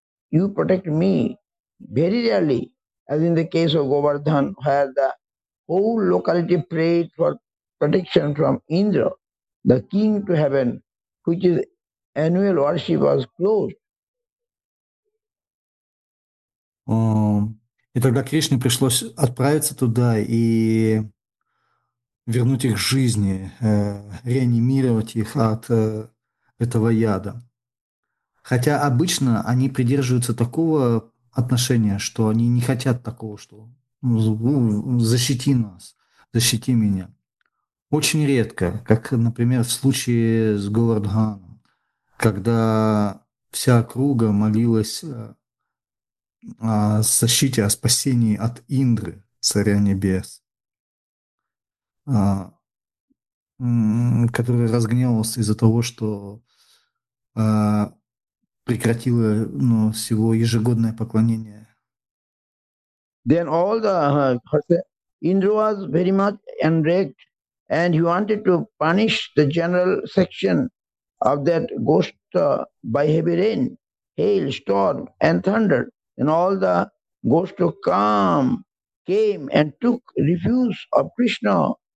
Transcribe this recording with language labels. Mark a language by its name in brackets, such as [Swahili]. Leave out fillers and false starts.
[English] You protect me. Very rarely, as in the case of Govardhan, where the whole locality prayed for protection from Indra, the king to heaven, which is annual worship was closed. [Russian] И тогда Кришне пришлось отправиться туда и вернуть их к жизни, реанимировать их от этого яда. Хотя обычно они придерживаются такого отношения, что они не хотят такого, что «защити нас, защити меня». Очень редко, как, например, в случае с Говардханом, когда вся округа молилась о защите, о спасении от Индры, Царя Небес, который разгневался из-за того, что прекратило, ну, всего ежегодное поклонение. [English] Then all the Indra was very much enraged, and he wanted to punish the general section of that ghost by heavy rain, hail, storm, and thunder. And all the ghosts came and took refuge of Krishna.